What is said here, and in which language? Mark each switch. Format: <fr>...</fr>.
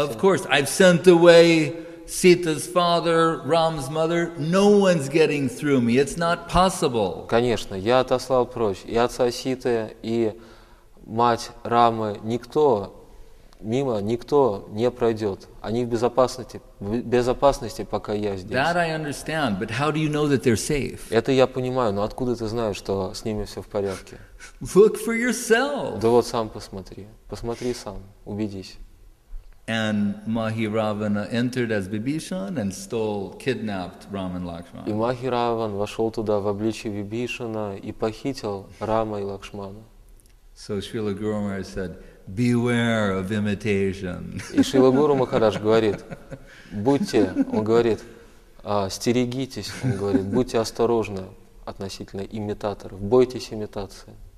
<en>Of course, I've sent away Sita's father, Ram's mother, no one's getting through me. It's not possible.</en> <ru>Конечно, я отослал прочь и отца Ситы, и мать Рамы. Никто мимо, никто не пройдет. Они в безопасности, пока я здесь.</ru> <en>That I understand, but how do you know that they're safe?</en> <ru>Это я понимаю, но откуда ты знаешь, что с ними все в порядке?</ru> <en>Look for yourself.</en> <ru>Да вот сам посмотри. Посмотри сам, убедись.</ru> <en>And Mahiravana entered as Bibhishan and kidnapped Rama and Lakshmana.</en> <ru>И Махиравана вошел туда в обличье Вибишана и похитил Рама и Лакшмана.</ru> <en>So Srila Guru Maharaj said, "Beware of imitation."</en> <ru>И Шрила Гуру Махарадж говорит, будьте, он говорит, стерегитесь, он говорит, будьте осторожны относительно имитаторов, бойтесь имитации.</ru>